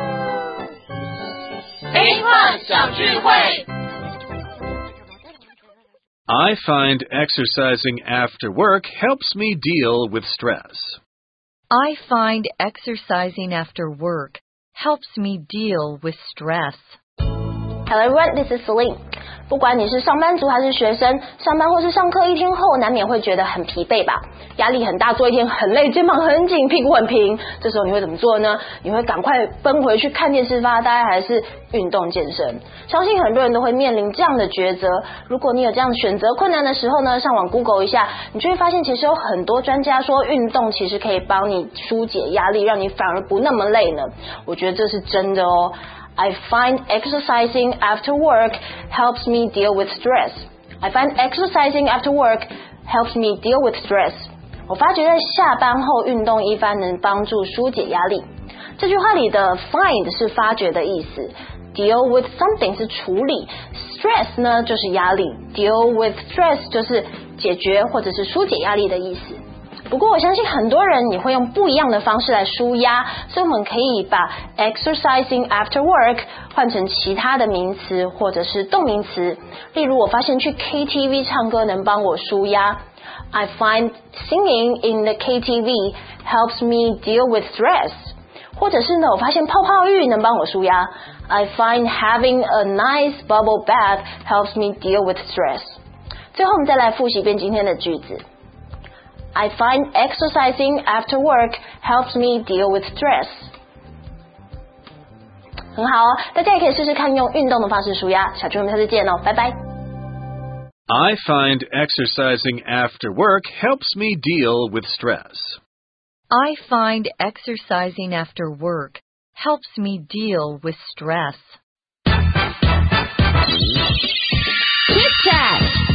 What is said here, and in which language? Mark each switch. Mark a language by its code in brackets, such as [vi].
[zh] 幻小智慧。 [en] I find exercising after work helps me deal with stress. I find exercising after work helps me deal with stress. Hello everyone, this is Celine. [zh] 不管你是上班族还是学生，上班或是上课一天后，难免会觉得很疲惫吧？压力很大，做一天很累，肩膀很紧，屁股很平。这时候你会怎么做呢？你会赶快奔回去看电视发呆，还是运动健身？相信很多人都会面临这样的抉择。如果你有这样选择困难的时候呢，上网 Google 一下，你就会发现其实有很多专家说运动其实可以帮你纾解压力，让你反而不那么累呢。我觉得这是真的哦。 [en] I find exercising after work helps me deal with stress. I find exercising after work helps me deal with stress. [zh] 我发觉在下班后运动一番能帮助纾解压力。这句话里的 find 是发觉的意思， deal with something 是处理， stress 呢就是压力， deal with stress 就是解决或者是纾解压力的意思。不过我相信很多人也会用不一样的方式来纾压，所以我们可以把 [en] exercising after work [zh] 换成其他的名词或者是动名词。例如我发现去 KTV 唱歌能帮我纾压， [en] I find singing in the KTV helps me deal with stress。 [zh] 或者是呢，我发现泡泡浴能帮我纾压， [en] I find having a nice bubble bath helps me deal with stress。 [zh] 最后我们再来复习一遍今天的句子。 [en] I find exercising after work helps me deal with stress. [zh] 很好哦，大家也可以试试看用运动的方式纾压。小智，我们下次见哦，拜拜。 [en] I find exercising after work helps me deal with stress. I find exercising after work helps me deal with stress. Kit Kat.